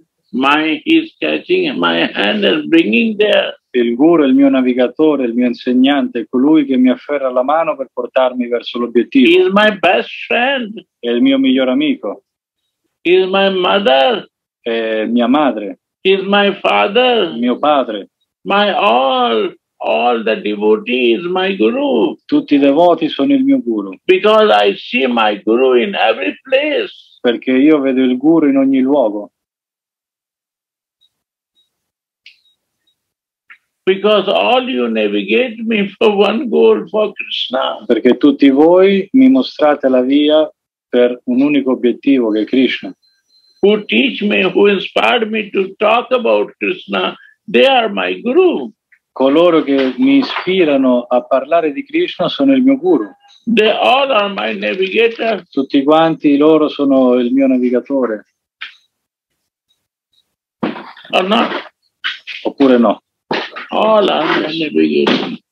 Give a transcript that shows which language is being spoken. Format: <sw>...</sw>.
<en>My he's catching my hand and bringing there.</en> <it>Il Guru è il mio navigatore, il mio insegnante, colui che mi afferra la mano per portarmi verso l'obiettivo.</it> <en>He is my best friend.</en> <it>È il mio miglior amico.</it> <en>He is my mother.</en> <it>È mia madre.</it> <en>He is my father.</en> <it>Mio padre.</it> <en>My all the devotees, my guru.</en> <it>Tutti i devoti sono il mio guru.</it> <en>Because I see my guru in every place.</en> <it>Perché io vedo il guru in ogni luogo.</it> <en>Because all you navigate me for one goal, for Krishna.</en> <it>Perché tutti voi mi mostrate la via per un unico obiettivo, che è Krishna.</it> <en>Who teach me, who inspired me to talk about Krishna, they are my guru.</en> <it>Coloro che mi ispirano a parlare di Krishna sono il mio guru.</it> <en>They all are my navigator.</en> <it>Tutti quanti loro sono il mio navigatore.</it> <en>Or not?</en> <it>Oppure no?</it> <en>All are my navigator.</en>